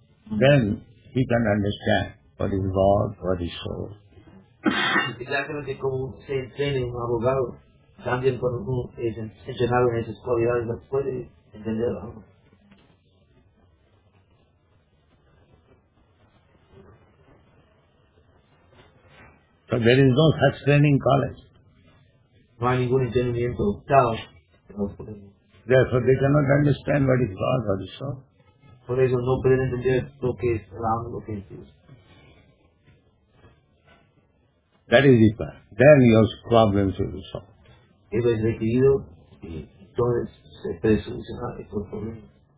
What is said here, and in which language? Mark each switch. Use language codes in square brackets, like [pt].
[en] Then he can understand what is God, what is soul. [es] Exactamente como se entrena un abogado, también cuando uno es entrenado en esas cualidades, puede entender algo. [en] But there is no such training college. [es] No hay ningún entrenamiento tal. [en] Therefore they cannot understand what is God, what is soul. [es] Por eso no pueden entender lo que es el alma, lo que es Dios. [en] That is the plan. Then your problems will be solved. [es] Eso es requerido y entonces se puede solucionar estos problemas.